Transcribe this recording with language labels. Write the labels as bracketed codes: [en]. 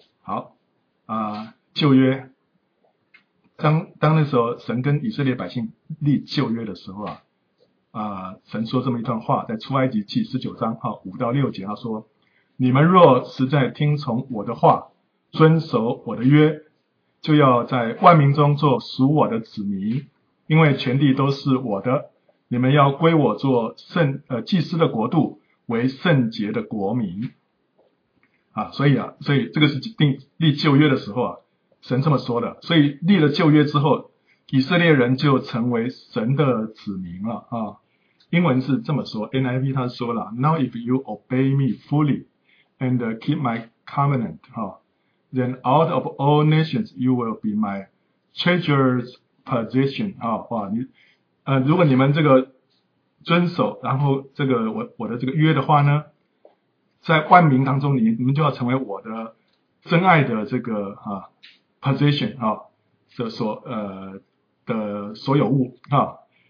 [zh] 好啊，旧约当那时候神跟以色列百姓立旧约的时候啊，神说这么一段话，在出埃及记19章啊5到6节，他说你们若实在听从我的话，遵守我的约，就要在万民中做属我的子民，因为全地都是我的，你们要归我做祭司的国度，为圣洁的国民啊，所以这个是立旧约的时候啊，神这么说的。所以立了旧约之后，以色列人就成为神的子民了啊。英文是这么说 [en] ，NIV [zh] 他说了 [en] ，Now if you obey me fully and keep my covenant, then out of all nations you will be my treasured possession [zh] 啊。哇，如果你们这个遵守，然后这个我的这个约的话呢？在万民当中，你们就要成为我的真爱的这个啊 position 啊，这所的所有物啊。